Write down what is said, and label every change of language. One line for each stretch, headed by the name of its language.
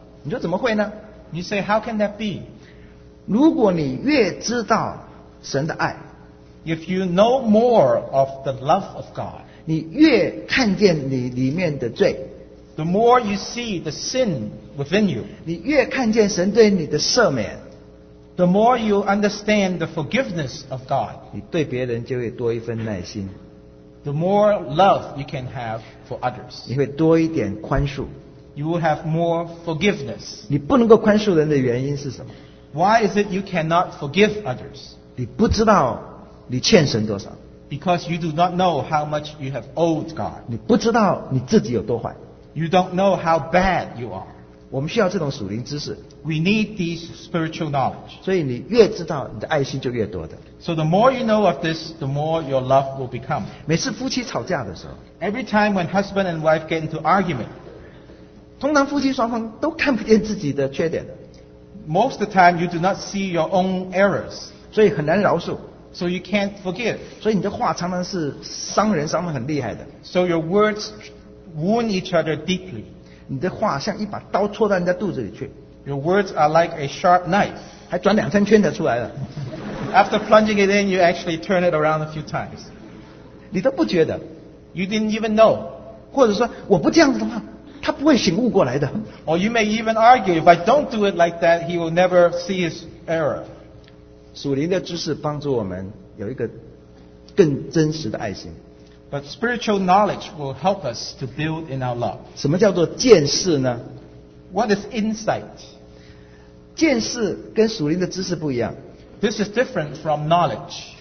Chinese: 你说怎么会呢？
English: You say, how can that be?
Chinese: 如果你越知道神的爱，
English: If you know more of the love of God,
Chinese: 你越看见你里面的罪，
English: The more you see the sin within you,
Chinese: 你越看见神对你的赦免，
English: The more you understand the forgiveness of God,
Chinese: 你对别人就会多一份耐心，
English: The more love you can have for others,
Chinese: 你会多一点宽恕，
English: You will have more forgiveness.
Chinese: 你不能够宽恕人的原因是什么？
English: Why is it you cannot forgive others?
Chinese: 你不知道你欠神多少。
English: Because you do not know how much you have owed God.
Chinese: 你不知道你自己有多坏。
English: You don't know how bad you are.
Chinese: 我们需要这种属灵知识。
English: We need these spiritual knowledge.
Chinese: 所以你越知道你的爱心就越多的。
English: So the more you know of this, the more your love will become.
Chinese: 每次夫妻吵架的时候，
English: Every time when husband and wife get into argument,
Chinese: 通常夫妻双方都看不见自己的缺点的。
English: Most of the time, you do not see your own errors.
Chinese: 所以很难饶恕。
English: So you can't forgive.
Chinese: 所以你的话常常是伤人，伤得很厉害的。
English: So your words wound each other deeply.
Chinese: 你的话像一把刀戳到人家肚子里去。
English: Your words are like a sharp knife.
Chinese: 还转两三圈才出来了。
English: After plunging it in, you actually turn it around a few times.
Chinese: 你都不觉得。
English: You didn't even know.
Chinese: 或者说，我不这样子的话，他不会醒悟过来的。
English: Or you may even argue, if I don't do it like that, he will never see his error.
Chinese: 属灵的知识帮助我们有一个更真实的爱心。
English: But spiritual knowledge will help us to build in our love.
Chinese: 什么叫做见识呢？
English: What is insight?
Chinese: 见识跟属灵的知识不一样。
English: This is different from knowledge.